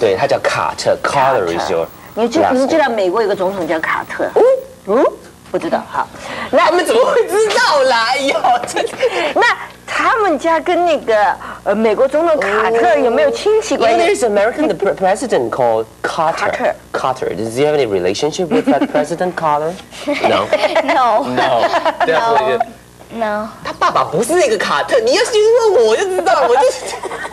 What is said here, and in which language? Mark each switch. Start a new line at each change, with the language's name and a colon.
Chinese: 对，他叫卡特。
English: Color is your.
Chinese: 你知道美国有个总统叫卡特？不知道。好，那他们怎么会知道啦？哎呦，这那。他们家跟那个美国总统卡特有没有亲戚关系
English: ？There is American president called Carter. Carter. Does he have any relationship with that president Carter? No. No. No. Definitely. No.
Chinese: 他爸爸不是那个卡特，你要去问我就知道，我就是。